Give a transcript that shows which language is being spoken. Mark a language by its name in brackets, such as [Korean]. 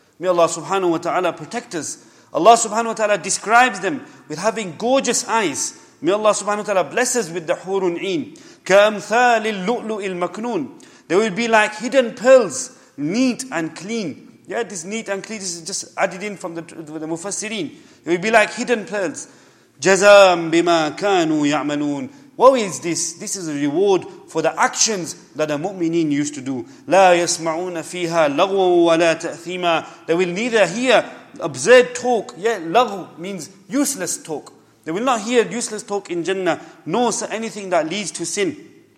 [English] May Allah subhanahu wa ta'ala protect us. Allah subhanahu wa ta'ala describes them with having gorgeous eyes. May Allah subhanahu wa ta'ala bless us with the hurun een. [Arabic] كَأَمْثَالِ اللُّؤْلُؤِ الْمَكْنُونَ, [English] they will be like hidden pearls, neat and clean. Yeah, this neat and clean, this is just added in from the mufassirin. They will be like hidden pearls. [Arabic] جَزَاءً بِمَا كَانُوا يَعْمَلُونَ, [English] what is this? This is a reward for the actions that the mu'mineen used to do. [Arabic] لَا يَسْمَعُونَ فِيهَا لَغْوًا وَلَا تَأْثِيمًا, [English] they will neither hear absurd talk. Yeah, لَغْو means useless talk. They will not hear useless talk in Jannah, nor anything that leads to sin.